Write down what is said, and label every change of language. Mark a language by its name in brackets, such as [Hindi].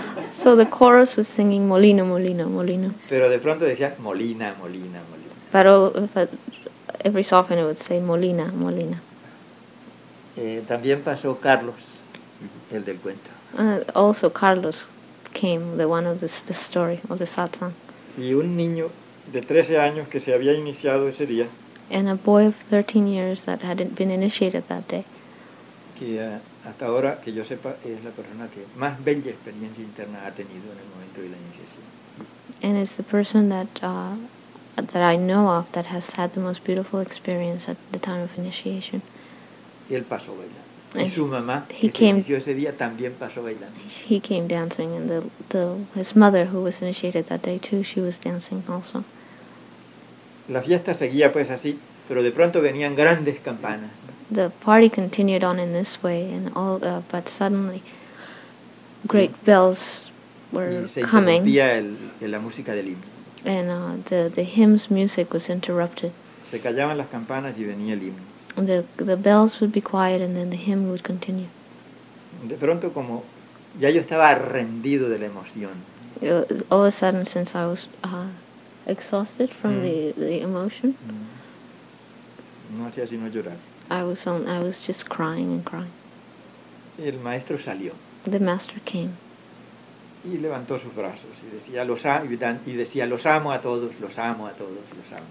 [English] So the chorus was singing Molino, Molino, Molino. [Spanish] Pero de pronto decía Molina, Molina, Molina. [English] But every so often it would say Molina, Molina. [Spanish] También pasó Carlos, el del cuento. [English] Also Carlos came, the one of the story of the satsang. [Spanish] Y un niño de 13 años que se había iniciado ese día. [English] And a boy of 13 years that hadn't been initiated that day. [Spanish] Que hasta ahora, que yo sepa, es la persona que más bella experiencia interna ha tenido en el momento de la iniciación. [English] And it's the person that that I know of that has had the most beautiful experience at the time of initiation. [Spanish] Y él pasó bailando. Y su mamá, que se inició ese día, también pasó bailando. [English] He came dancing, and his mother, who was initiated that day too, she was dancing also. [Spanish] La fiesta seguía pues así, pero de pronto venían grandes campanas. [English] The party continued on in this way, and all, but suddenly, great bells were coming. [Spanish] Y se interrumpía la música del himno. [English] And the hymn's music was interrupted. [Spanish] Se callaban las campanas y venía el himno. [English] The bells would be quiet, and then the hymn would continue. [Spanish] De pronto, como ya yo estaba rendido de la emoción. [English] All of a sudden, since I was exhausted from the emotion, [Spanish] no hacía sino llorar. [English] I was just crying and crying. [Spanish] El maestro salió. [English] The master came. [Spanish] Y levantó sus brazos y decía los amo a todos, los amo a todos, los amo.